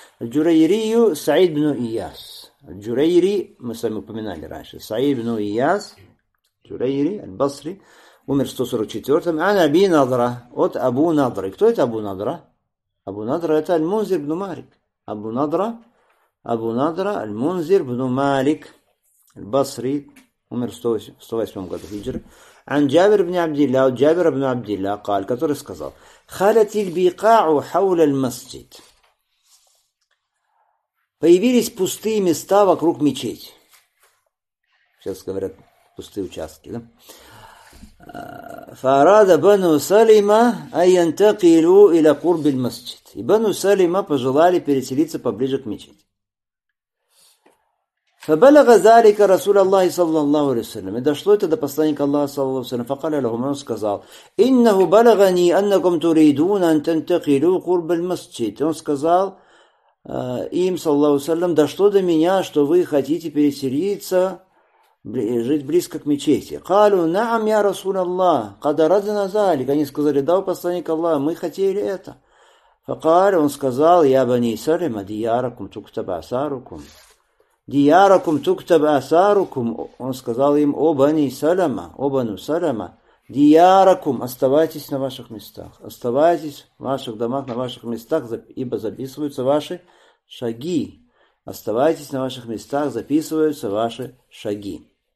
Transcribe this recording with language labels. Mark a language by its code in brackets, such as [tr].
[ru] Аль-Джурайрию Саид бну Ияс. Аль-Джурайри, мы с вами упоминали раньше, Саид бну Ияс, Джурайри аль-Басри, умер в 144-м. Анаби Надра, от Абу Надра. Кто это Абу Надра? Абу Надра это аль-Мунзир бну Марик. Абу Надра, аль-Мунзир бну Малик, аль-Басри, умер в 108 году хиджры. [ar] عن جابر بن عبد الله، وجابر بن عبد الله قال [ru] который сказал: [ar] خلت البقاع حول المسجد. [ru] Появились пустые места вокруг мечети. Сейчас говорят пустые участки, да? [ar] فأراد بنو سلمة أن ينتقلوا إلى قرب المسجد. [ru] И бану Салима пожелали переселиться поближе к мечети. [ar] فبلغ ذلك رسول الله صلى الله عليه وسلم. [ru] И дошло это до посланника Аллаха [ar] صلى الله عليه وسلم. فقال لهم, [ru] он сказал: [ar] إنه بلغني أنكم تريدون أن تنتقلوا قرب المسجد. [ru] Он сказал им, [ar] صلى الله عليه وسلم: [ru] дошло до меня, что вы хотите переселиться, жить близко к мечети. [ar] قالوا نعم يا رسول الله قد أردنا ذلك. [ru] Они сказали: да, у посланника Аллаха, мы хотели это. [ar] فقال, [ru] он сказал: [ar] يا بني سلمة دياركم تكتب أثاركم. Диаракум туктаб асарукум, [ru] он сказал им: о бану Салама, о бану Салама, диаракум, оставайтесь на ваших местах, оставайтесь в ваших домах, на ваших местах, ибо записываются ваши шаги. Оставайтесь на ваших местах, записываются ваши шаги.